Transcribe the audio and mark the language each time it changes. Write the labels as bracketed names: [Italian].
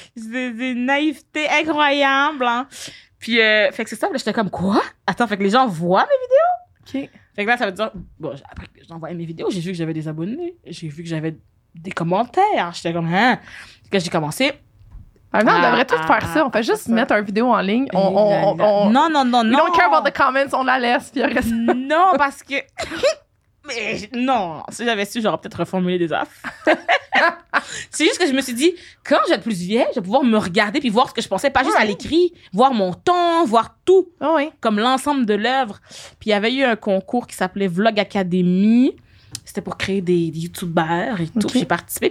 [French] C'est une naïveté incroyable. Hein. Puis, fait que c'est ça, là, j'étais comme, quoi? Attends, fait que les gens voient mes vidéos? OK. Fait que là, ça veut dire, bon, après que j'envoyais mes vidéos, j'ai vu que j'avais des abonnés. J'ai vu que j'avais des commentaires. J'étais comme, hein? Quand j'ai commencé. Maintenant, on devrait tout faire ça. On fait juste mettre une vidéo en ligne. Non. [English] We don't care about the comments, [French] on la laisse. Puis après ça. Non, parce que. Mais non, si j'avais su, j'aurais peut-être reformulé des offres. C'est juste que je me suis dit, quand je vais être plus vieille, je vais pouvoir me regarder puis voir ce que je pensais, pas juste à l'écrit, voir mon ton, voir tout, comme l'ensemble de l'œuvre. Puis il y avait eu un concours qui s'appelait Vlog Academy. C'était pour créer des YouTubers et tout. Okay. J'ai participé.